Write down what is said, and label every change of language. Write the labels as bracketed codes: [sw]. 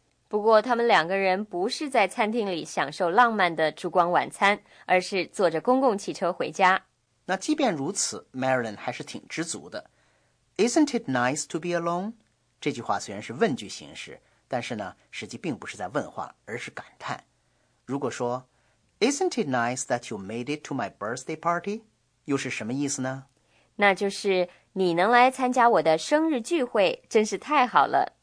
[zh] 不过，他们两个人不是在餐厅里享受浪漫的烛光晚餐，而是坐着公共汽车回家。那即便如此 ，Marilyn 还是挺知足的。 [en] Isn't it nice to be alone? [zh] 这句话虽然是问句形式，但是呢，实际并不是在问话，而是感叹。如果说 [en] Isn't it nice that you made it to my birthday party? [zh] 又是什么意思呢？那就是你能来参加我的生日聚会，真是太好了。